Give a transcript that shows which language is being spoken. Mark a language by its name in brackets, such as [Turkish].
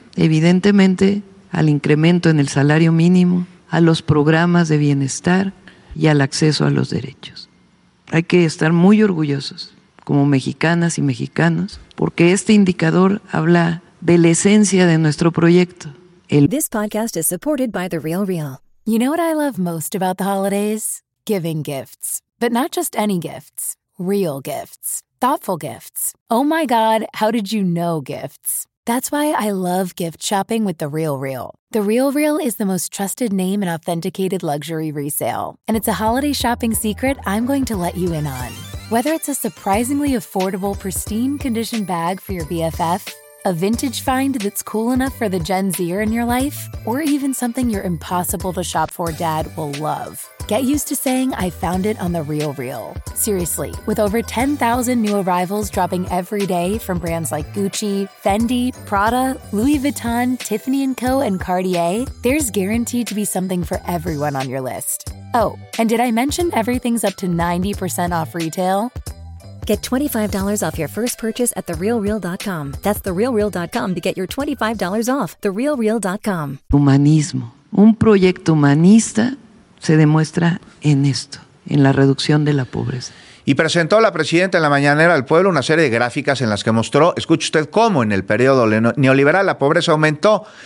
[Spanish] Evidentemente, al incremento en el salario mínimo, a los programas de bienestar y al acceso a los derechos. Hay que estar muy orgullosos, como mexicanas y mexicanos, porque este indicador habla de la esencia de nuestro proyecto. [English] This podcast is supported by The Real Real. You know what I love most about the holidays? Giving gifts. But not just any gifts. Real gifts. Thoughtful gifts. Oh my God, how did you know gifts? That's why I love gift shopping with The Real Real. The Real Real is the most trusted name in authenticated luxury resale. And it's a holiday shopping secret I'm going to let you in on. Whether it's a surprisingly affordable, pristine condition bag for your BFF, a vintage find that's cool enough for the Gen Zer in your life, or even something your impossible to shop for dad will love. Get used to saying, I found it on The Real Real. Seriously, with over 10,000 new arrivals dropping every day from brands like Gucci, Fendi, Prada, Louis Vuitton, Tiffany & Co., and Cartier, there's guaranteed to be something for everyone on your list. Oh, and did I mention everything's up to 90% off retail? Get $25 off your first purchase at TheRealReal.com. That's TheRealReal.com to get your $25 off. TheRealReal.com. [Spanish] Humanismo. Un proyecto humanista se demuestra en esto, en la reducción de la pobreza. Y presentó la presidenta en la mañanera al pueblo una serie de gráficas en las que mostró, escuche usted, cómo en el periodo neoliberal la pobreza aumentó.